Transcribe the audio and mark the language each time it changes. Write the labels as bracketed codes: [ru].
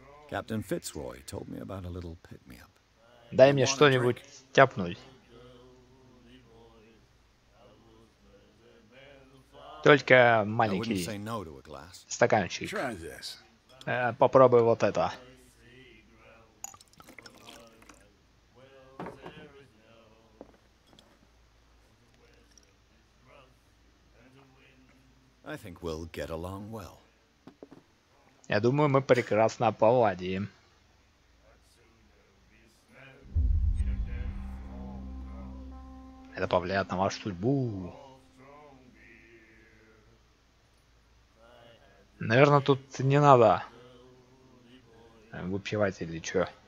[en] Captain Fitzroy told me about a little pick-me-up. [ru] Дай мне что-нибудь тяпнуть. Только маленький стаканчик. Попробуй вот это. [en] I think we'll get along well. [ru] Я думаю, мы прекрасно поладим. Это повлияет на вашу судьбу. Наверное, тут не надо выпивать или чё.